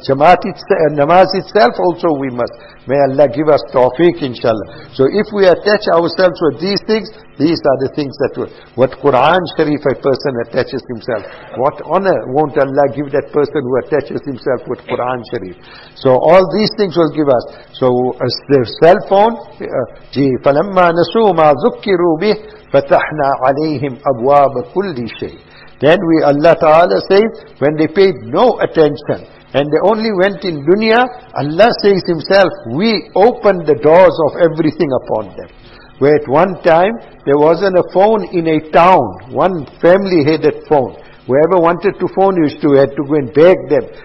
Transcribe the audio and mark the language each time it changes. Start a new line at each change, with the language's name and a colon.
English: Jamaat itself, namaz itself also, we must. May Allah give us tawfiq, inshallah. So if we attach ourselves with these things, these are the things that what Quran Sharif a person attaches himself. What honor won't Allah give that person who attaches himself with Quran Sharif? So all these things will give us. So as their cell phone,
Arabic: جِي فَلَمَّا نَسُوا مَا ذُكِّرُوا بِهِ فَتَحْنَا عَلَيْهِمْ أَبْوَابَ كُلِّ شَيْءٍ.
English: Then we, Allah Ta'ala says, when they paid no attention, and they only went in dunya, Allah says Himself, we opened the doors of everything upon them. Where at one time, there wasn't a phone in a town. One family had a phone. Whoever wanted to phone used to, had to go and beg them.